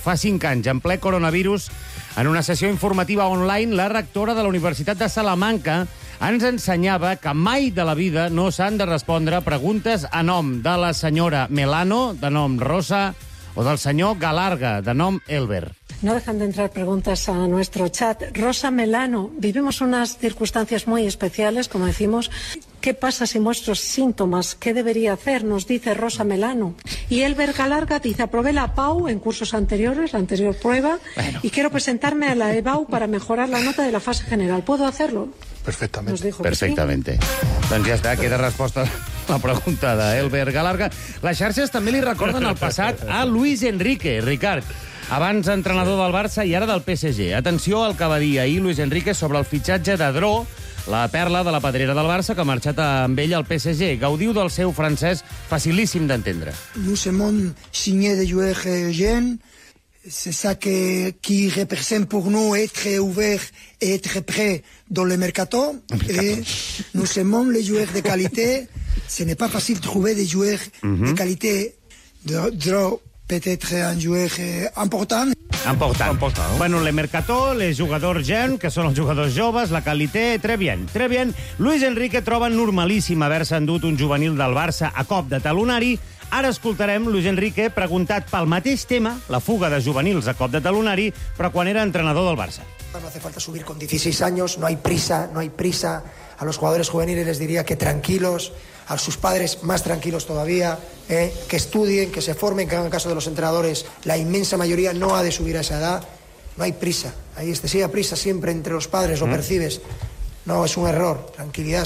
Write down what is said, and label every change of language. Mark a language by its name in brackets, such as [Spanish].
[Catalan] Fa 5 anys, en ple coronavirus, en una sessió informativa online, la rectora de la Universitat de Salamanca ens ensenyava que mai de la vida no s'han de respondre preguntes a nom de la senyora Melano, de nom Rosa, o del senyor Galarga, de nom Elber. [Spanish] No dejan de entrar preguntas a nuestro chat. Rosa Melano, vivimos unas circunstancias muy especiales, como decimos. ¿Qué pasa si muestro síntomas? ¿Qué debería hacer? Nos dice Rosa Melano. Y Elber Galarga dice, aprobé la PAU en cursos anteriores, la anterior prueba, bueno, y quiero presentarme a la EBAU para mejorar la nota de la fase general. ¿Puedo hacerlo? Perfectamente. Nos dijo perfectamente. Sí. [Catalan] Doncs ja està, queda resposta a la pregunta d'Elber Galarga. Les xarxes també li recorden el passat a Luis Enrique, Ricard. Abans entrenador del Barça i ara del PSG. Atenció al que va dir ahir Luis Enrique sobre el fitxatge de Dro, la perla de la pedrera del Barça que ha marxat amb ell al PSG. Gaudiu del seu francès facilíssim d'entendre. [French] Nous sommes signés de jouer gens. C'est ça que qui représente pour nous être ouvert et être prêt dans le mercato. Nous sommes les joueurs de qualité. Ce n'est pas facile trouver des joueurs de qualité de Dro. Peut-être un joueur important. Important. [Catalan] Bueno, [French] le mercato, [Catalan] les jugadors gent, que són els jugadors joves, [French] la qualité, très bien. [Catalan] Luis Enrique troba normalíssim haver-se endut un juvenil del Barça a cop de talonari. Ara escoltarem Luis Enrique preguntat pel mateix tema, la fuga de juvenils a cop de talonari, però quan era entrenador del Barça. [Spanish] No hace falta subir con 16 años, no hay prisa. A los jugadores juveniles les diría que tranquilos, a sus padres más tranquilos todavía, que estudien, que se formen, que hagan caso de los entrenadores. La inmensa mayoría no ha de subir a esa edad. No hay prisa. Hay excesiva prisa siempre entre los padres, lo percibes. No, es un error. Tranquilidad.